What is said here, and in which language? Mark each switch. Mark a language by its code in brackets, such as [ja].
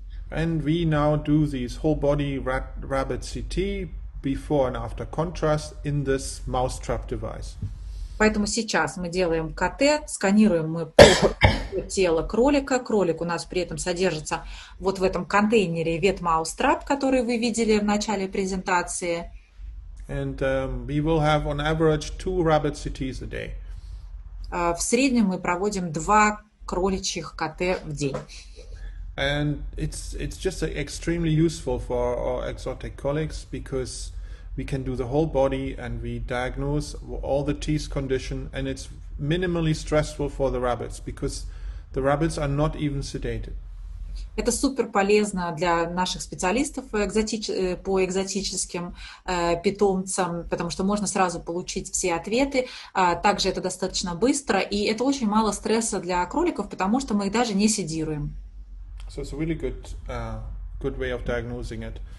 [en] And we now do these whole body rabbit CT before and after contrast in this mousetrap device. [ru] Поэтому сейчас мы делаем КТ, сканируем мы полностью тело кролика. Кролик у нас при этом содержится вот в этом контейнере ветмаустрап, который вы видели в начале презентации. [en] And we will have on average 2 rabbit CTs a day. [ru] В среднем мы проводим 2 кроличьих КТ в день. [en] And it's just extremely useful for our exotic colleagues because we can do the whole body and we diagnose all the teeth condition, and it's minimally stressful for the rabbits because the rabbits are not even sedated. [ru] Это супер полезно для наших специалистов по экзотическим питомцам, потому что можно сразу получить все ответы. Также это достаточно быстро, и это очень мало стресса для кроликов, потому что мы их даже не седируем. [en] So it's a really good way of diagnosing it.